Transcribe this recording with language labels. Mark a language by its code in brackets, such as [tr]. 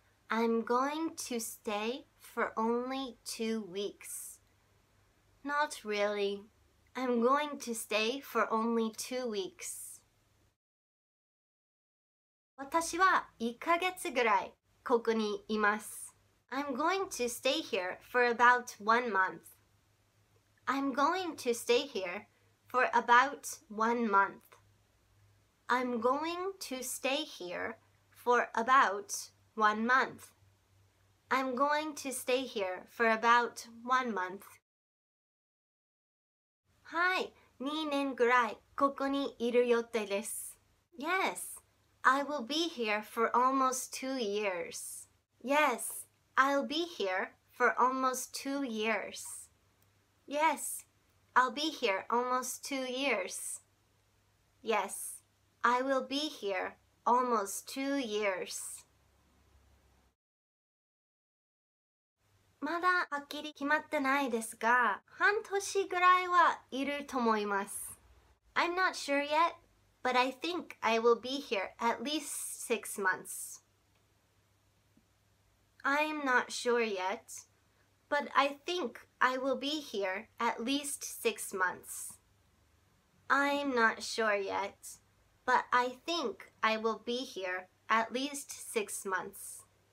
[en] I'm going to stay for only 2 weeks. Not really. I'm going to stay for only 2 weeks. [ja] 私は1ヶ月ぐらいここにいます。 [en] I'm going to stay here for about 1 month. I'm going to stay here for about 1 month. I'm going to stay here for about 1 month. I'm going to stay here for about 1 month. [ja] はい、2年ぐらいここにいる予定です。 [en] Yes, I will be here for almost 2 years. Yes, I'll be here for almost 2 years. Yes, I'll be here almost 2 years. Yes. I will be here almost 2 years. [ja] まだはっきり決まってないですが、半年ぐらいはいると思います。 [en] I'm not sure yet, but I think I will be here at least 6 months. I'm not sure yet, but I think I will be here at least 6 months. I'm not sure yet. But I think I will be here at least 6 months.